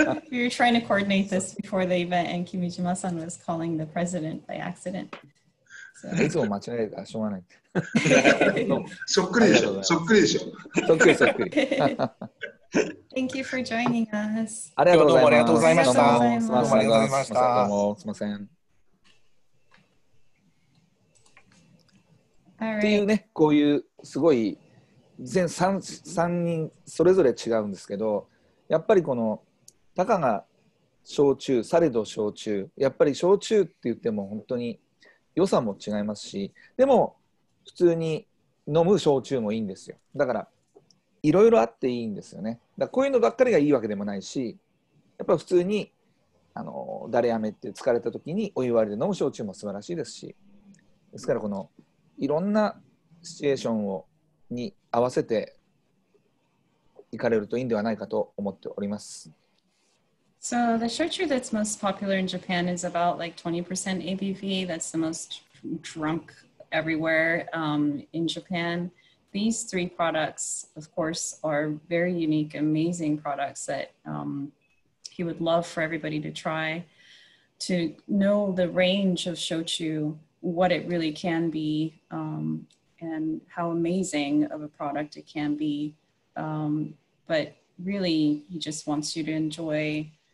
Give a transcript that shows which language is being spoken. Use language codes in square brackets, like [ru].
[en] We were trying to coordinate this before the event, and Kimijima-san was calling the president by accident. [ja] いつも間違えた、しょうがない。そっくりでしょ、そっくりでしょ。そっくりそっくり。 [en] Thank you for joining us. [ja] ありがとうございます。ありがとうございました。どうもありがとうございました。どうも、すいません。っていうね、こういうすごい全 3人それぞれ違うんですけど、やっぱりこのたかが焼酎、されど焼酎、やっぱり焼酎って言っても本当に良さも違いますし、でも普通に飲む焼酎もいいんですよ。だからいろいろあっていいんですよね。だからこういうのばっかりがいいわけでもないし、やっぱり普通にあのだれ飴って疲れた時にお湯割りで飲む焼酎も素晴らしいですし、ですからこのいろんなシチュエーションをに合わせて行かれるといいんではないかと思っております。 [en] So the shochu that's most popular in Japan is about like 20% ABV. That's the most drunk everywhere、in Japan. These three products, of course, are very unique, amazing products that、he would love for everybody to try to know the range of shochu, what it really can be.、and how amazing of a product it can be.、but really, he just wants you to enjoy